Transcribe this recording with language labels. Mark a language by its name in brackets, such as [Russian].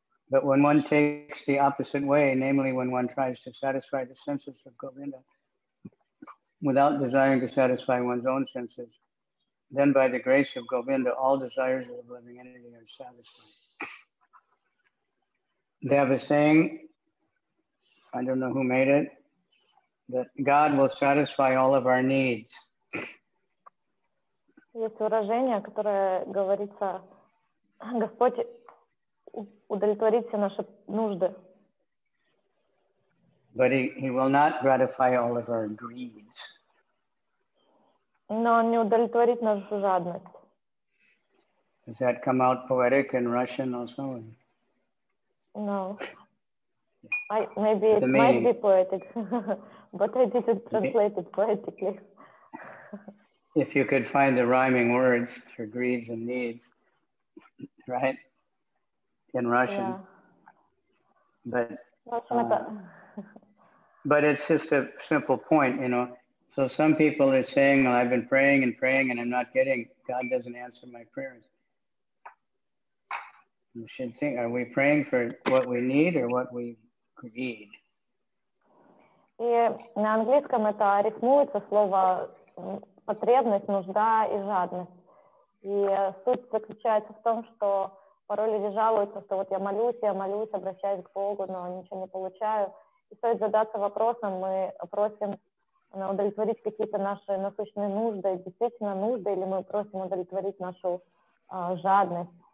[English] But when one takes the opposite way, namely when one tries to satisfy the senses of Govinda without desiring to satisfy one's own senses, then by the grace of Govinda, all desires of the living entity are satisfied. They have a saying, I don't know who made it, that God will satisfy all of our needs. [Russian] Есть выражение, которое говорится, Господь удовлетворит все наши нужды. [English] But he will not gratify all of our greeds. [Russian] Но он не удовлетворит нашу жадность. [English] Does that come out poetic in Russian also? No. Might be poetic, but I didn't translate it poetically. If you could find the rhyming words for greeds and needs, right? In Russian. Yeah. But but it's just a simple point, you know. So some people are saying, well, I've been praying and praying and I'm not getting, God doesn't answer my prayers. You should think, are we praying for what we need or what we need? [Russian] И на английском это рифмуется слово потребность, нужда и жадность. И суть заключается в том, что порой люди жалуются, что вот я молюсь, обращаюсь к Богу, но ничего не получаю. И стоит задаться вопросом, мы просим удовлетворить какие-то наши насущные нужды, действительно нужды, или мы просим удовлетворить нашу жадность.